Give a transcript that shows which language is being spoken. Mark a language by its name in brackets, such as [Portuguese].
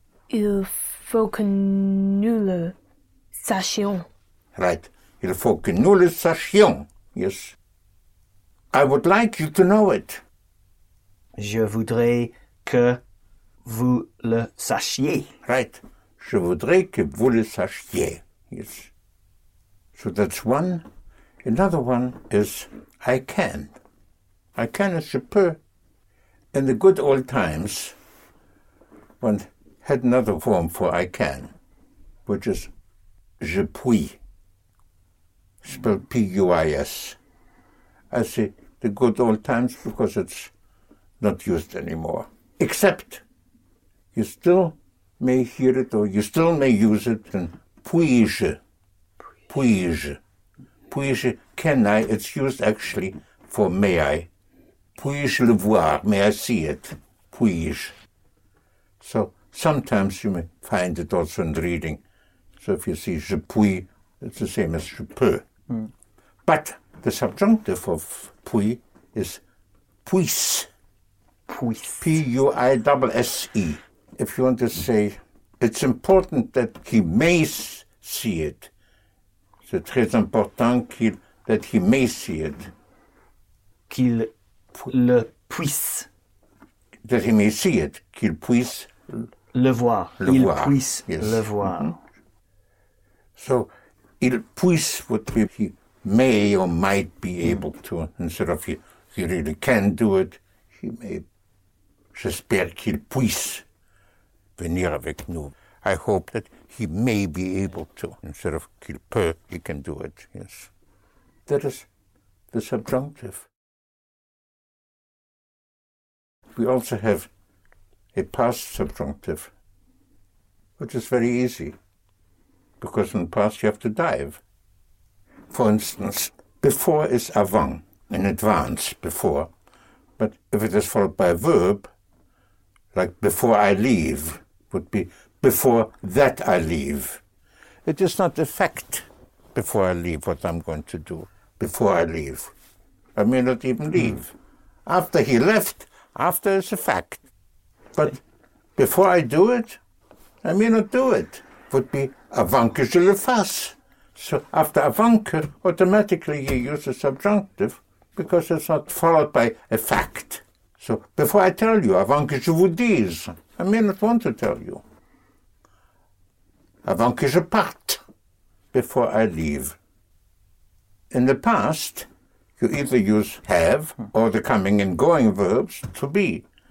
[French] Il faut que nous le sachions. [English] Right. [French] Il faut que nous le sachions. [English] Yes. I would like you to know it. [French] Je voudrais que vous le sachiez. [English] Right. [French] Je voudrais que vous le sachiez. [English] Yes. So that's one. Another one is I can. I can is je peux. In the good old times, one had another form for I can, which is je puis, spelled P-U-I-S. I say the good old times because it's not used anymore. Except you still may hear it or you still may use it in puis-je, puis-je. Puis-je, can I, it's used actually for may I. [French] Puis-je le voir, [English] may I see it, [French] puis-je. [English] So sometimes you may find it also in reading. So if you see je puis, it's the same as je peux. Mm. But the subjunctive of pui is puisse. [French] Puisse. [English] P-U-I-S-S-E. If you want to say, it's important that he may see it. [French] C'est très important qu'il, [English] that he may see it. [French] Qu'il le puisse. [English] That he may see it. [French] Qu'il puisse le voir. Le il voir. Puisse yes. Le voir. Mm-hmm. [English] So, il puisse would be he may or might be able to, instead of he really can do it, he may. [French] J'espère qu'il puisse venir avec nous. [English] I hope that he may be able to. Instead of [French] qu'il peut, [English] he can do it, yes. That is the subjunctive. We also have a past subjunctive, which is very easy, because in the past you have to dive. For instance, before is avant, in advance, before. But if it is followed by a verb, like before I leave, would be before that I leave. It is not the fact before I leave what I'm going to do. Before I leave. I may not even leave. After he left, after is a fact. But before I do it, I may not do it. Would be [French] avant que je le fasse. [English] So after avant que, automatically you use a subjunctive because it's not followed by a fact. So before I tell you, [French] avant que je vous dise, [English] I may not want to tell you. [French] Avant que je parte, [English] before I leave. In the past, you either use have or the coming and going verbs to be.